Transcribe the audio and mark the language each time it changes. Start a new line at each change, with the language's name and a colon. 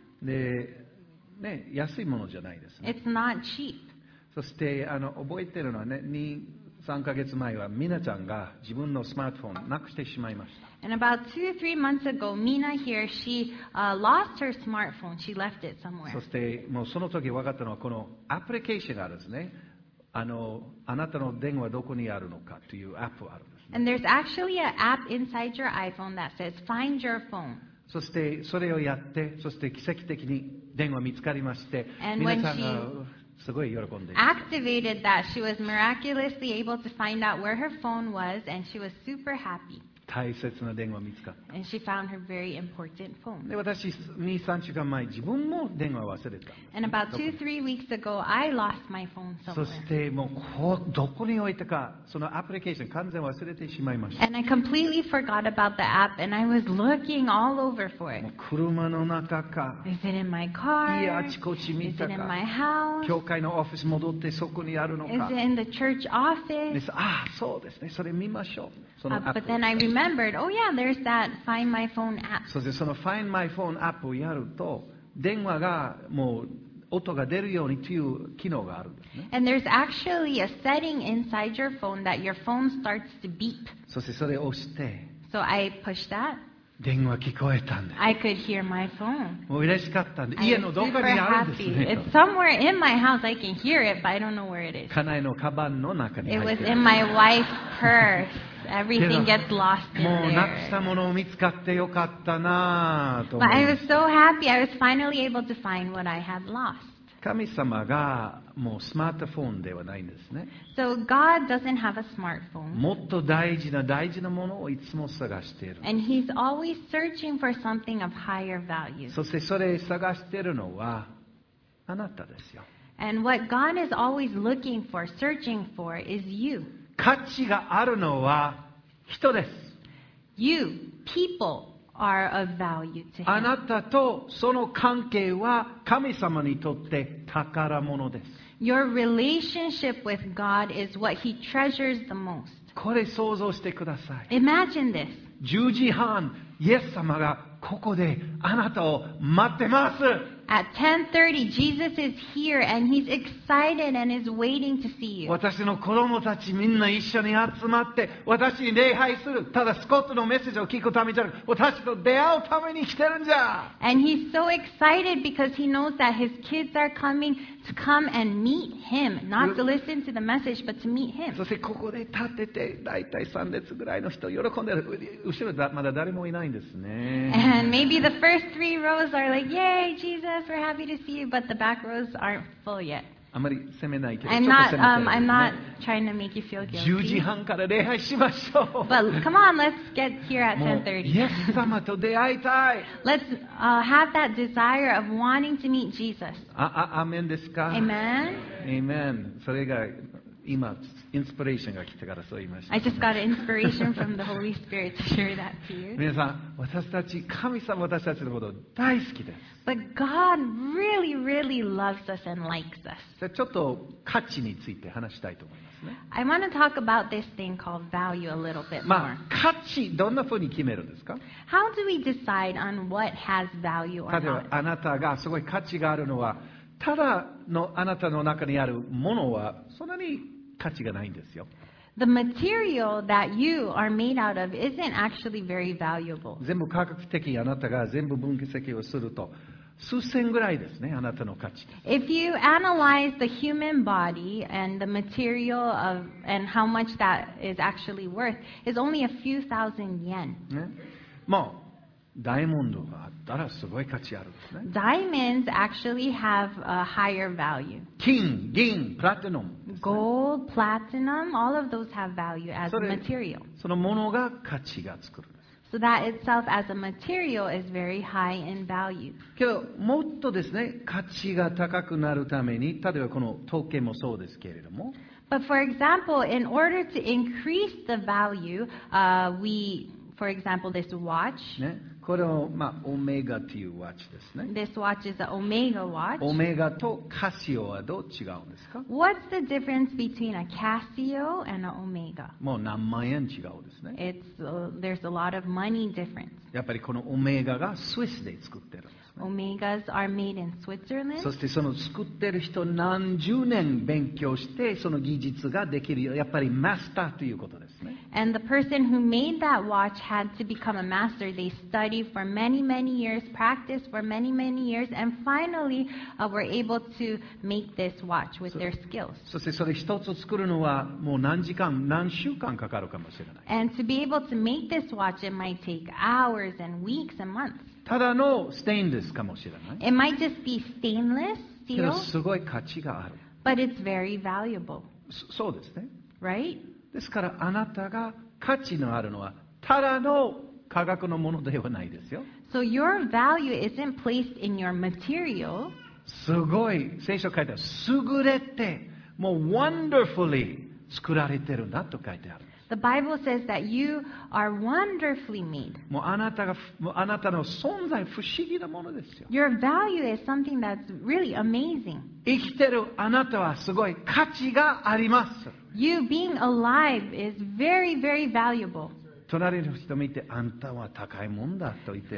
Japanese: で、ね、安いものじゃないですね。
English: It's not cheap.
Japanese: そして覚えてるのはね、3ヶ月前はミナちゃんが自分のスマートフォンなくしてしまいました。
English: And about 2-3 months ago, Mina here, she lost her smartphone. She left it somewhere.
Japanese: そしてもうその時分かったのはこのアプリケーションがあるんですね。あなたの電話どこにあるのかというアプリがあるんですね。
English: And there's actually an app inside your iPhone that says Find Your Phone.
Japanese: そしてそれをやって、そして奇跡的に電話見つかりまして、皆さんがすごい喜んでいました。
English: Activated that, she was miraculously able to find out where her phone was, and she was super happy.
Japanese: 大切な電話見つかった。
English: And she found her very important phone.
Japanese: で、私2-3週間前、自分も電話忘れた。
English: And about 2-3 weeks ago, I lost my phone somewhere.
Japanese: そしてもうどこに置いたか、そのアプリケーション完全忘れてしまいました。
English: And I completely forgot about the app, and I was looking all over for it.
Japanese: 車の中か。
English: Is it in my car?
Japanese: いや、あちこち見たか。
English: Is it in my house?
Japanese: 教会のオフィス戻ってそこにあるのか。
English: Is it in the church office?
Japanese: ああ、そうですね。それ見ましょう。そのアプリ。
English: But then I remembered, oh yeah, there's that Find My Phone app.
Japanese: そしてその Find My Phone app をやると、電話がもう音が出るようにという機能があるんですね。
English: And there's actually a setting inside your phone that your phone starts to beep.
Japanese: そしてそれを押して。
English: So I pushed that.
Japanese: 電話聞こえたんです。
English: I could hear my phone.
Japanese: もう嬉しかったんで、家のどこかにあるんですね。
English: It's somewhere in my house. I can hear it, but I don't know where it is.
Japanese: 家内のカバンの中に入って
English: る。It was in my wife's purse. Everything gets lost in there.
Japanese: もうなくしたものを見つかってよかったなと。
English: But I was so happy. I was finally able to find what I had lost.
Japanese: 神様がもうスマートフォンではないんですね。
English: So God doesn't have a smartphone.
Japanese: もっと大事な大事なものをいつも探している。
English: And he's always searching for something of higher value.
Japanese: そしてそれ探しているのはあなたですよ。
English: And what God is always looking for, searching for, is you.
Japanese: 価値があるのは人です。
English: You, people. Are of value to him.
Japanese: あなたとその関係は神様にとって宝物です。
English: Your relationship with God is what he treasures the most.
Japanese: これ想像してください。
English: Imagine this.
Japanese: 10時半、イエス様がここであなたを待ってます。
English: At 10:30, Jesus is here and he's excited and is waiting to see you.
Japanese: 私の子供たちみんな一緒に集まって私に礼拝する。ただスコットのメッセージを聞くためじゃなく、私と出会うために来てるんじゃ。
English: And he's so excited because he knows that his kids are coming to come and meet him. Not to listen to the message, but to meet him.
Japanese: そしてここで立ってて、だいたい3列ぐらいの人喜んでる。後ろまだ誰もいないんですね。
English: And maybe the first three rows are like, Yay, Jesus! We're happy to see you, but the back rows aren't full yet.
Japanese: あまり責めないけど、
English: I'm not trying to make you feel guilty.
Japanese: 10時半から礼拝しましょう。
English: But come on, let's get here at 10:30.
Japanese: イエス様と出会いたい。
English: Let's have that desire of wanting to meet Jesus.
Japanese: アーメンですか。
English: Amen. Amen.
Japanese: それが今インスピレーションが来てからそう言いました、
English: ね。I just got inspiration from the Holy Spirit to share that to you.
Japanese: 皆さん、私たち神様私たちのこと大好きです。
English: But God really, really loves us and likes us.
Japanese: ちょっと価値について話したいと思いますね。
English: I want to talk about this thing called value a little bit more.
Japanese: まあ、価値どんなふうに決めるんですか？
English: How do we decide on what has value or not?
Japanese: 例えばあなたがすごい価値があるのは、ただのあなたの中にあるものはそんなに価値がないんですよ。
English: The material that you are made out of isn't actually very valuable.
Japanese: 全部科学的にあなたが全部分析をすると数千ぐらいですね、あなたの価値。
English: If you analyze the human body and the material of and how much that is actually worth, is only a few thousand yen.
Japanese: もうダイモンドがあったらすごい価値あるんですね。
English: Diamonds actually have a higher value.
Japanese: 金、銀、プラティナム、ね。
English: Gold, platinum, all of those have value as a material.
Japanese: そのものが価値が作る。
English: So that itself as a material is very high in value.
Japanese: けどもっとですね、価値が高くなるために、例えばこの時計もそうですけれども。
English: But for example, in order to increase the value, we, for example, this watch.
Japanese: ね、これをまあオメガというワッチですね。
English: This watch is an Omega watch.
Japanese: オメガとカシオはどう違うんですか
English: ？What's the difference between a Casio and an Omega?
Japanese: もう何万円違うですね。
English: It's there's a lot of money difference.
Japanese: やっぱりこのオメガがスイスで作ってるんですね。
English: Omegas are made in Switzerland.
Japanese: そしてその作ってる人何十年勉強してその技術ができるよ。やっぱりマスターということですね。
English: And the person who made that watch had to become a master. They studied for many, many years, practiced for many, many years, and finally were able to make this watch with their skills.
Japanese: そしてそれ一つ作るのはもう何時間、何週間かかるかもしれない。
English: And to be able to make this watch, it might take hours and weeks and months.
Japanese: ただのステインレスかもしれない。
English: It might just be stainless steel.
Japanese: けどすごい価値がある。
English: But it's very valuable.
Japanese: そうですね。
English: Right?
Japanese: ですからあなたが価値のあるのはただの科学のものではないですよ。
English: So your value isn't placed in your material.
Japanese: すごい聖書書いてある。優れてもう
English: wonderfully
Japanese: 作られてるんだと書いてある。
English: The Bible says that you are wonderfully made.
Japanese: もうあなたの存在不思議なものですよ。
English: Your value is something that's really amazing.
Japanese: 生きてるあなたはすごい価値があります。
English: You being alive is very, very valuable.
Japanese: 隣の人見て、あんたは高いもんだと言って。